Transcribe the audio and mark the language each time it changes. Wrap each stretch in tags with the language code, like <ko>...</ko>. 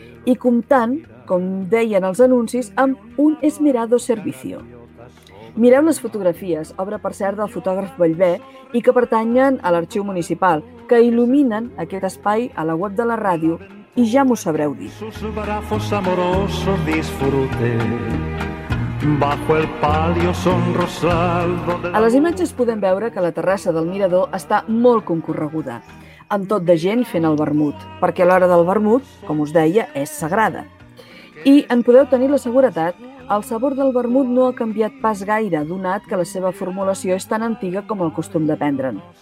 <ca>I comptant, com deien els anuncis, amb un</ca> <es>esmerado servicio.</es> <ca>Mireu les fotografies, obra per cert del fotògraf Bellvé i que pertanyen a l'arxiu municipal, que il·luminen aquest espai a la web de la ràdio i ja m'ho sabreu dir.</ca> <es>Sus brazos amorosos disfrute bajo el palio sonrosal.</es> <ca>A les imatges podem veure que la terrassa del Mirador està molt concorreguda, amb tot de gent fent el vermut, perquè l'hora del vermut, com us deia, és sagrada. I en podeu tenir la seguretat. El sabor del vermut no ha canviat pas gaire, donat que la seva formulació és tan antiga com el costum de prendre'n.</ca>